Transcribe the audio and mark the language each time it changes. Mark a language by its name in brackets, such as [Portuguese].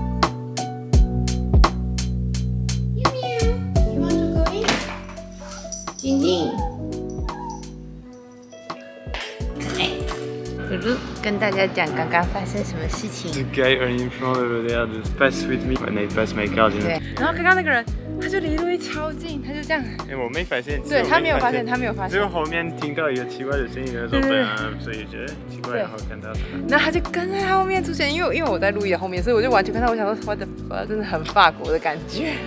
[Chinese] 然后如果是三文的，哇，看起来好吃。喵喵 [English] ，You want to go in？ [Chinese] 静静，哎，露露跟大家讲刚刚发生什么事情。 [English] The guy in front of there just passed with me when I passed my card. [Chinese] 对，然后刚刚那个人。他就离路易超近，他就这样。欸、我没发现。对他没有发现，他没有发现。只有后面听到一个奇怪的声音的时候，所以觉得奇怪，然后看到他。那他就跟在后面出现，因为我在路易的后面，所以我就完全看到。我想说，我的妈，真的很法国的感觉。